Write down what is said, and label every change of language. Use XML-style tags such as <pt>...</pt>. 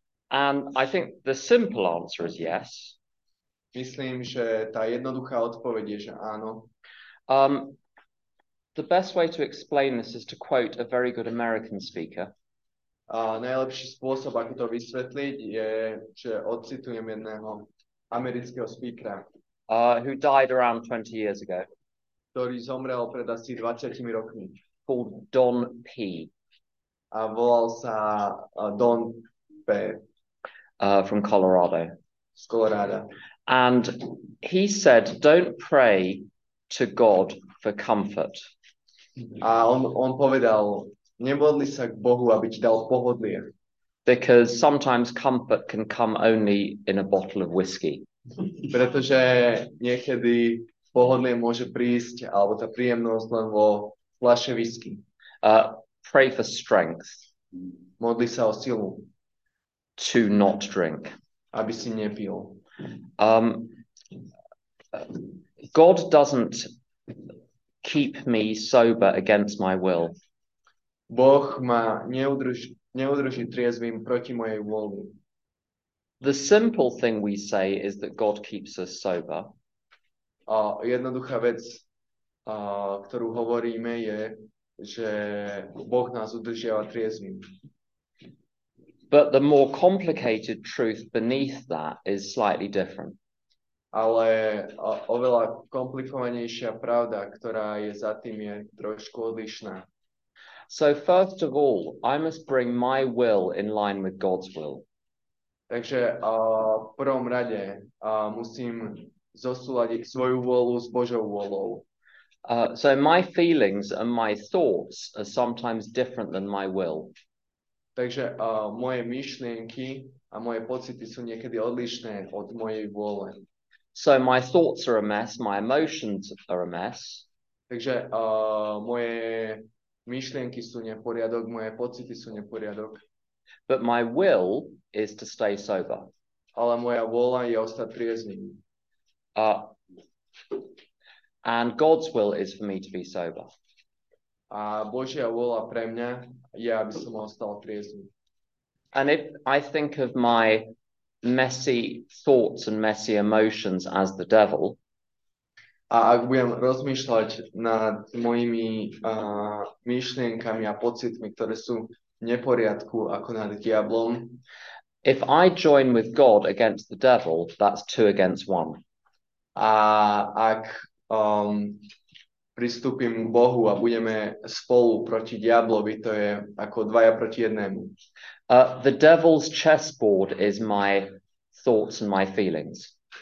<en>And I think the simple answer is yes.</en> <sk>Myslím, že tá jednoduchá odpoveď je, že áno.</sk> <en>The best way to explain this is to quote a very good American speaker.</en> <sk>A najlepší spôsob, ako to vysvetliť, je, že odcitujem jedného amerického speakera.</sk> <en>Who died around 20 years ago.</en> <sk>Ktorý zomrel pred asi 20 rokmi.</sk> <en>Called Don P.</en> <sk>A volal sa Don P.</sk> <en>From Colorado.</en> <sk>Z Colorado.</sk> <en>And he said, don't pray to God for comfort.</en> <sk>A on povedal, nemodli sa k Bohu, aby ti dal pohodlie.</sk> <en>Because sometimes comfort can come only in a bottle of whiskey.</en> <sk>Pretože niekedy pohodlie môže prísť, alebo tá príjemnosť len vo fľaše whisky.</sk> <en>Pray for strength.</en> <sk>Modli sa o silu.</sk> <en>To not drink.</en> <sk>Aby si nepil.</sk> <en>God doesn't keep me sober against my will.</en> <sk>Boh ma neudrží triezvým proti mojej vôli.</sk> <en>The simple thing we say is that God keeps us sober.</en> <sk>A jednoduchá vec, ktorú hovoríme, je, že Boh nás udržiava triezvým.</sk> <en>But the more complicated truth beneath that is slightly different.</en> <sk>Ale oveľa komplikovanejšia pravda, ktorá je za tým, je trošku odlišná.</sk> <en>So first of all, I must bring my will in line with God's will.</en> <sk>Takže v prvom rade musím zosúladiť svoju vôľu s Božou vôľou.</sk> <en>So my feelings and my thoughts are sometimes different than my will.</en> <sk>Takže moje myšlienky a moje pocity sú niekedy odlišné od mojej vôle.</sk> <en>So my thoughts are a mess, my emotions are a mess.</en> <sk>Takže moje myšlienky sú neporiadok, moje pocity sú neporiadok.</sk> <en>But my will is to stay sober.</en> <sk>Ale moja vôľa je ostať triezvy.</sk> <en>And God's will is for me to be sober.</en> <sk>A Božia vôľa pre mňa je, aby som ostal triezvy.</sk> <en>And if I think of my messy thoughts and messy emotions as the devil.</en> <sk>A ak budem rozmýšľať nad mojimi myšlienkami a pocitmi, ktoré sú v neporiadku ako nad diablom.</sk> <en>If I join with God against the devil, that's two against one.</en> <sk>A ak pristúpim k Bohu a budeme spolu proti diablovi, to je ako dvaja proti jednému.</sk> <en>The devil's chessboard is my thoughts and my feelings.</en>